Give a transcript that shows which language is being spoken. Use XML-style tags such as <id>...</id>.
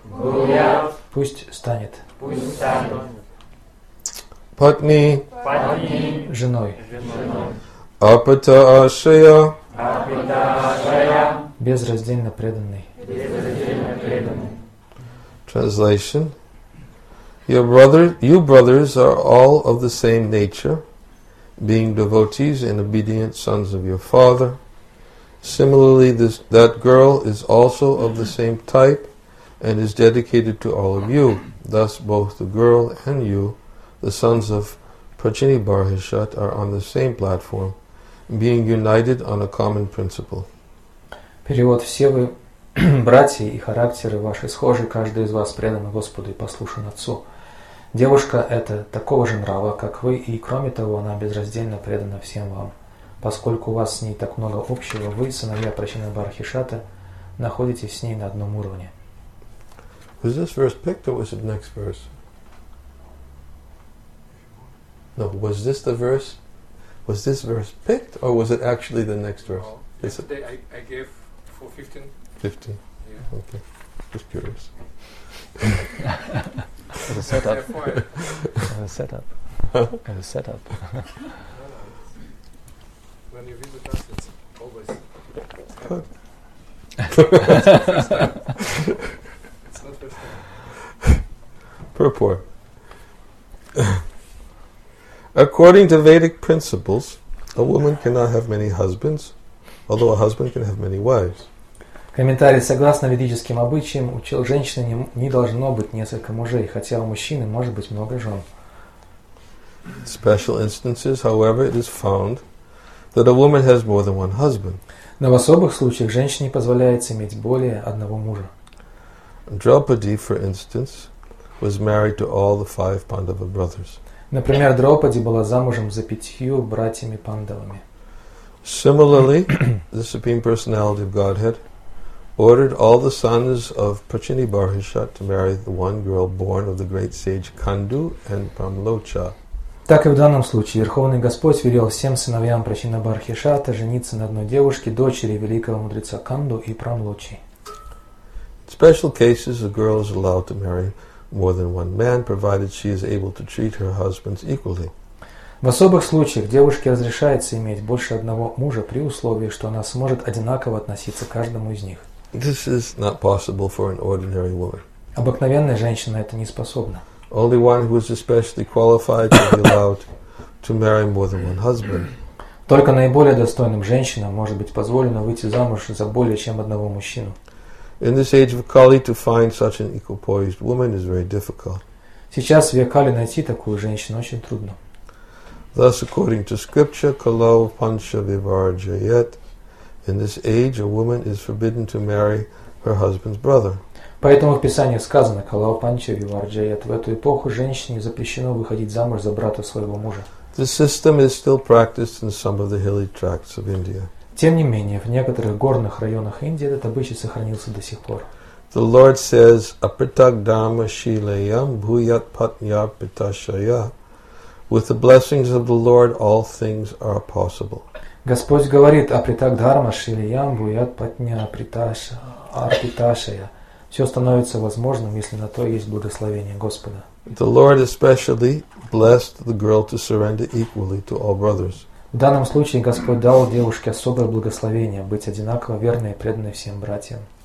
<sa>Буят.</sa> <ru>Пусть станет. Пусть станет.</ru> <sa>Патни. Патни.</sa> <ru>Женой. Женой.</ru> <sa>Апита ашая. Апита ашая.</sa> <ru>Безраздельно преданный. Безраздельно преданный.</ru> <en>Translation. Your brother, you brothers are all of the same nature, being devotees and obedient sons of your father. Similarly, this, that girl is also of the same type and is dedicated to all of you. Thus, both the girl and you, the sons of Prajini Barhishat, are on the same platform, being united on a common principle.</en> <ru>Перевод. Все вы, братья, и характеры ваши схожи. Каждый из вас предан Господу и послушен Отцу. Девушка эта такого же нрава, как вы, и кроме того, она безраздельно предана всем вам. Поскольку у вас с ней так много общего, вы, сыновья Прачина Бархишата, находитесь с ней на одном уровне.</ru> <en>Was this verse picked or was it next verse? No, was this the verse? Was this verse picked or was it actually the next verse? Well, yesterday I gave for 15. 15? Yeah. Okay. Just curious. As a setup. As a setup. As a setup. When you visit us, it's always. It's not first time. Purport. According to Vedic principles, a woman cannot have many husbands, although a husband can have many wives.</en> <ru>Комментарий. Согласно ведическим обычаям, у женщины не должно быть несколько мужей, хотя у мужчины может быть много жен.</ru> <en>In special instances, however, it is found that a woman has more than one husband.</en> <ru>Но в особых случаях женщине позволяется иметь более одного мужа.</ru> <en>Draupadi, for instance, was married to all the five Pandava brothers.</en> <ru>Например, Драупади была замужем за пятью братьями Пандавами.</ru> <en>Similarly, the Supreme Personality of Godhead ordered all the sons of Prachini Barhishat to marry the one girl born of the great sage Kandu and Pramlocha.</en> <ru>Так и в данном случае Верховный Господь велел всем сыновьям Прачина Бархишата жениться на одной девушке, дочери великого мудреца Канду и Прамлочи.</ru> <en>In special cases, a girl is allowed to marry more than one man, provided she is able to treat her husbands equally.</en> <ru>В особых случаях девушке разрешается иметь больше одного мужа при условии, что она сможет одинаково относиться к каждому из них.</ru> <en>This is not possible for an ordinary woman.</en> <ru>Обыкновенная женщина это не способна.</ru> <en>Only one who is especially qualified to be allowed to marry more than one husband.</en> <ru>Только наиболее достойным женщинам может быть позволено выйти замуж за более чем одного мужчину.</ru> <en>In this age of Kali, to find such an equipoised woman is very difficult.</en> <ru>Сейчас в век Кали найти такую женщину очень трудно.</ru> <en>Thus, according to scripture,</en> <sa>Kalau Pancha Vivarjayet,</sa> <en>in this age a woman is forbidden to marry her husband's brother.</en> <ru>Поэтому в Писании сказано,</ru> <sa>Kalau Pancha Vivarjayet,</sa> <ru>в эту эпоху женщине запрещено выходить замуж за брата своего мужа.</ru> <en>This system is still practiced in some of the hilly tracts of India.</en> <ru>Тем не менее, в некоторых горных районах Индии этот обычай сохранился до сих пор.</ru> <en>The Lord says,</en> <sa>Апритак дама шилеям бхуят патня питашая.</sa> <en>With the blessings of the Lord, all things are possible.</en> <ru>Господь говорит,</ru> <sa>Апритак дама шилеям бхуят патня питашая.</sa> <ru>Все становится возможным, если на то есть благословение Господа.</ru> <en>The Lord especially blessed the girl to surrender equally to all brothers.</en> <ru>В данном случае Господь дал девушке особое благословение быть одинаково верной и преданной всем братьям.</ru>